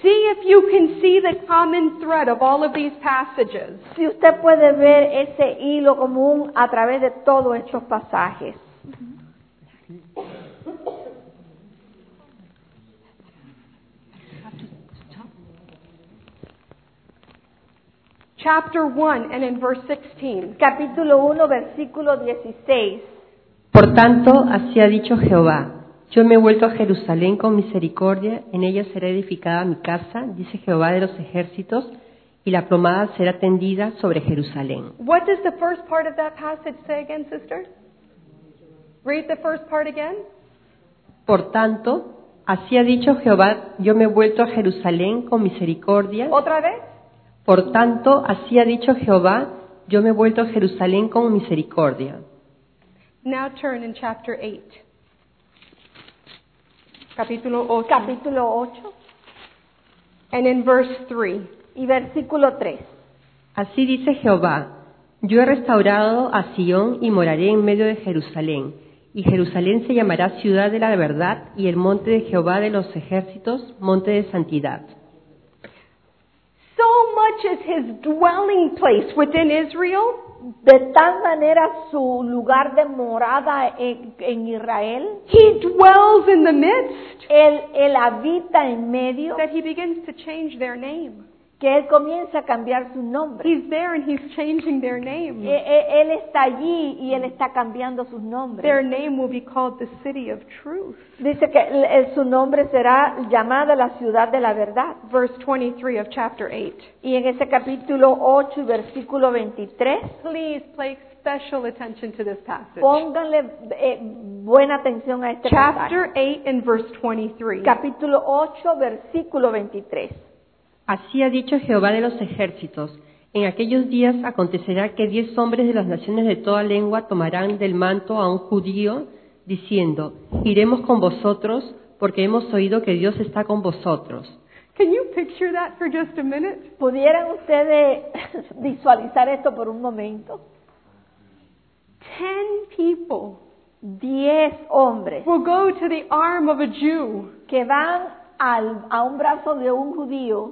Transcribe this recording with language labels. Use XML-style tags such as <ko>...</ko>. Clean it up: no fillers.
<en>See if you can see the common thread of all of these passages.</en> <es>Si usted puede ver ese hilo común a través de todos estos pasajes.</es> <en>Chapter 1 and in verse 16.</en> <es>Capítulo 1, versículo 16. Por tanto, así ha dicho Jehová, yo me he vuelto a Jerusalén con misericordia, en ella será edificada mi casa, dice Jehová de los ejércitos, y la plomada será tendida sobre Jerusalén.</es> <en>What does the first part of that passage say again, sister? Read the first part again.</en> <es>Por tanto, así ha dicho Jehová, yo me he vuelto a Jerusalén con misericordia. ¿Otra vez? Por tanto, así ha dicho Jehová, yo me he vuelto a Jerusalén con misericordia.</es> <en>Now turn in chapter 8.</en> <es>Capítulo 8. Capítulo 8.</es> <en>And in verse 3.</en> <es>Y versículo 3. Así dice Jehová, yo he restaurado a Sion y moraré en medio de Jerusalén. Y Jerusalén se llamará Ciudad de la Verdad, y el monte de Jehová de los ejércitos, monte de santidad.</es> <en>So much is his dwelling place within Israel.</en> <es>De tal manera su lugar de morada en Israel.</es> <en>He dwells in the midst.</en> <es>Él habita en medio.</es> <en>That he begins to change their name.</en> <es>Que él comienza a cambiar su nombre.</es> <en>He's there and he's changing their name.</en> <es>Él está allí y él está cambiando sus nombres.</es> <en>Their name will be called the City of Truth.</en> <es>Dice que su nombre será llamada la Ciudad de la Verdad.</es> <en>Verse 23 of chapter 8.</en> <es>Y en ese capítulo 8, versículo 23.</es> <en>Please place special attention to this passage.</en> <es>Pónganle buena atención a este</es> <en>chapter</en> <es>pasaje.</es> <en>Chapter 8 and verse 23.</en> <es>Capítulo 8, versículo 23. Así ha dicho Jehová de los ejércitos, en aquellos días acontecerá que 10 hombres de las naciones de toda lengua tomarán del manto a un judío, diciendo, iremos con vosotros, porque hemos oído que Dios está con vosotros.</es> <en>Can you picture that for just a minute?</en> <es>¿Pudieran ustedes visualizar esto por un momento?</es> <en>10 people.</en> <es>10 hombres.</es> <en>Will go to the arm of a Jew.</en> <es>Que van a un brazo de un judío,</es>